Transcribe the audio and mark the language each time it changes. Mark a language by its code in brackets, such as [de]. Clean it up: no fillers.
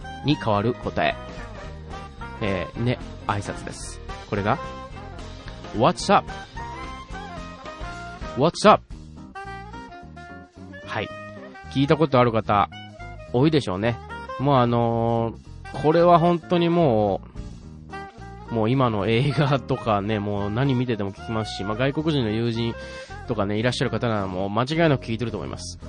[ja] に変わる答え、ね、挨拶です。これが [en] What's up? What's up? [ja] はい。聞いたことある方、多いでしょうね。もうこれは本当にもう今の映画とかね、もう何見てても聞きますし、まあ、外国人の友人とかね、いらっしゃる方ならもう間違いなく聞いてると思います。